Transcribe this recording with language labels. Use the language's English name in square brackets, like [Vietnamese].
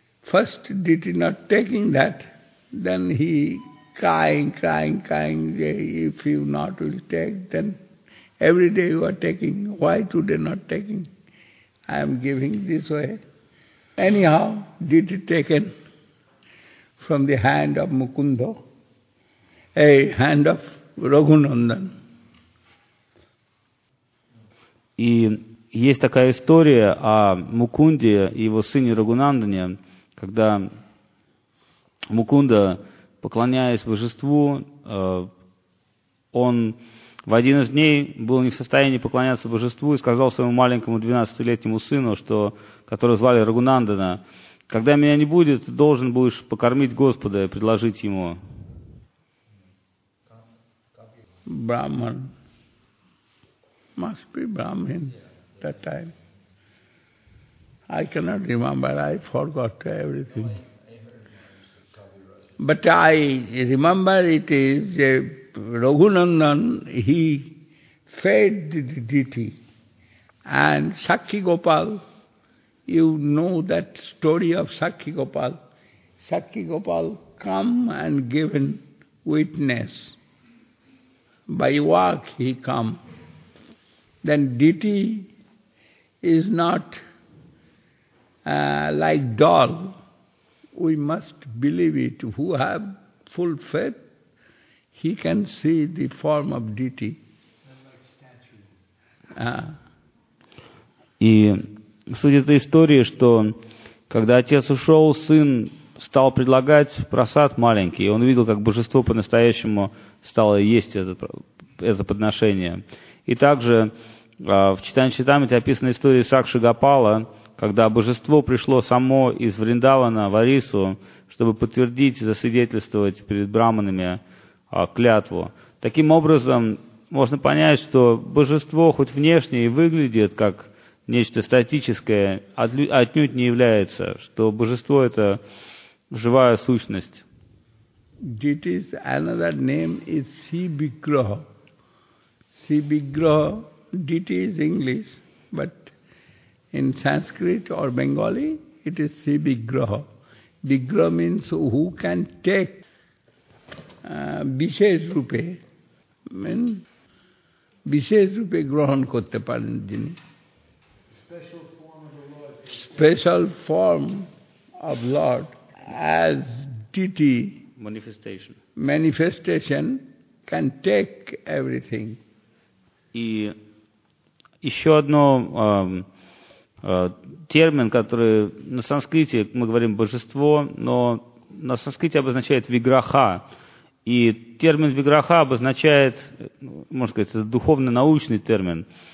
[English] First deity not taking that, then he crying, if you not will take, then every day you are taking, why today not taking? I am giving this way. Anyhow, deity taken from the hand of Mukunda, a hand of Raghunandan. [Russian] И есть такая история о Мукунде и его сыне Рагунандане, когда Мукунда, поклоняясь божеству, он в один из дней был не в состоянии поклоняться божеству и сказал своему маленькому 12-летнему сыну, которого звали Рагунандана, «Когда меня не будет, ты должен будешь покормить Господа и предложить Ему». [English] Brahman. Must be Brahmin that time. I cannot remember, I forgot everything. But I remember it is Raghunandan, he fed the deity. And Sakhi Gopal, you know that story of Sakhi Gopal. Sakhi Gopal come and given witness. By work he come. Then deity is not like doll. We must believe it. Who have full faith, he can see the form of deity. [Russian] И суть этой истории, что когда отец ушел, сын стал предлагать просад маленький, и он видел, как божество по-настоящему стало есть это подношение. И также в Чайтанья-чаритамрите описана история Сакши Гопала, когда божество пришло само из Вриндавана в Орису, чтобы подтвердить и засвидетельствовать перед браманами клятву. Таким образом, можно понять, что божество хоть внешне и выглядит как нечто статическое, отнюдь не является, что божество – это живая сущность. [English] Deity's another name is Sibigraha. Sibigraha, deity is English, but in Sanskrit or Bengali, it is Sibigraha. Bigraha means who can take Vishesrupe. Means [Bangla] Vishesrupe grahan korte paren jini. [English] Special form of the Lord. Special form of Lord as deity. Manifestation. Manifestation can take everything. [Russian] И еще одно термин, который на санскрите мы говорим «божество», но на санскрите обозначает «виграха». И термин «виграха» обозначает, можно сказать, это духовно-научный термин.